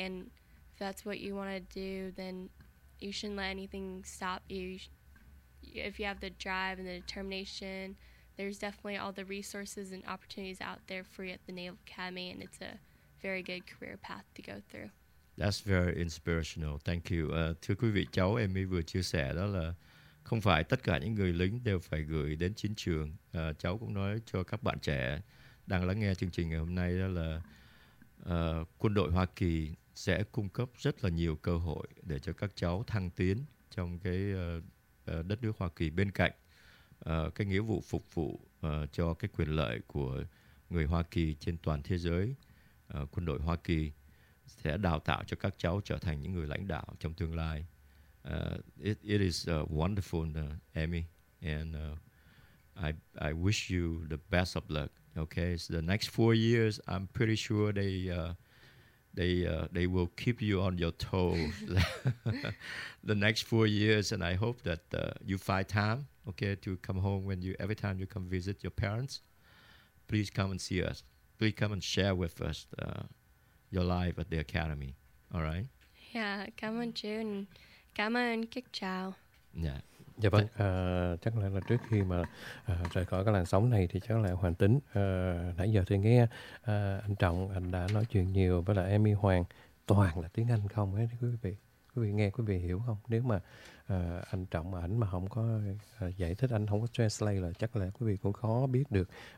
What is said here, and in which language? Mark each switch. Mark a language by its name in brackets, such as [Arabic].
[English] And if that's what you want to do, then you shouldn't let anything stop you. If you have the drive and the determination, there's definitely all the resources and opportunities out there for you at the Naval Academy, and it's a very good career path to go through. That's very inspirational. Thank you. [Vietnamese] Thưa quý vị, cháu Amy vừa chia sẻ đó là không phải tất cả những người lính đều phải gửi đến chiến trường. Cháu cũng nói cho các bạn trẻ đang lắng nghe chương trình ngày hôm nay đó là quân đội Hoa Kỳ sẽ cung cấp rất là nhiều cơ hội để cho các cháu thăng tiến trong cái đất nước Hoa Kỳ, bên cạnh cái nghĩa vụ phục vụ cho cái quyền lợi của người Hoa Kỳ trên toàn thế giới. Quân đội Hoa Kỳ sẽ đào tạo cho các cháu trở thành những người lãnh đạo trong tương lai. [English] It is wonderful, Amy, and I wish you the best of luck. Okay, so the next 4 years, I'm pretty sure they will keep you on your toes. The next 4 years, and I hope that you find time, okay, to come home when you every time you come visit your parents. Please come and see us. Please come and share with us your life at the academy. All right? Yeah, come on, June. [Vietnamese] Cảm ơn, kính chào. [English] Yeah. [Vietnamese] Dạ vâng, chắc là trước khi mà rời khỏi cái làn sóng này thì chắc là Hoàng Tính, nãy giờ tôi nghe anh Trọng, anh đã nói chuyện nhiều với lại Amy Hoàng, toàn là tiếng Anh không ấy, quý vị. Quý vị nghe, quý vị hiểu không? Nếu mà anh Trọng mà ảnh mà không có giải thích, anh không có translate là chắc là quý vị cũng khó biết được.